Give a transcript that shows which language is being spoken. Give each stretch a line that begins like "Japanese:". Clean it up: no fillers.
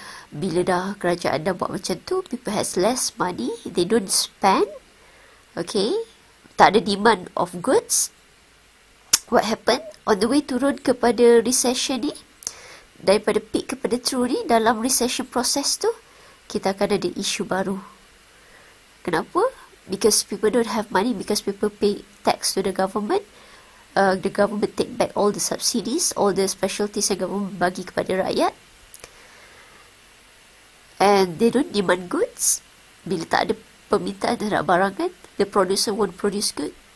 Malay: Bila dah kerajaan dah buat macam tu,
English: people has less money, they don't spend. Okay,
Malay: tak ada
English: demand of goods. What happened?
Malay: On the way turun kepada recession ni, daripada peak kepada true ni, dalam recession process tu, kita akan ada isu baru. Kenapa?
English: Because people don't have money, because people pay tax to the government. The government take back all the subsidies, all the specialties
Malay: yang government bagi kepada rakyat.
English: And they don't demand goods.
Malay: Bila tak ada permintaan terhadap barang kan,
English: the producer won't produce good.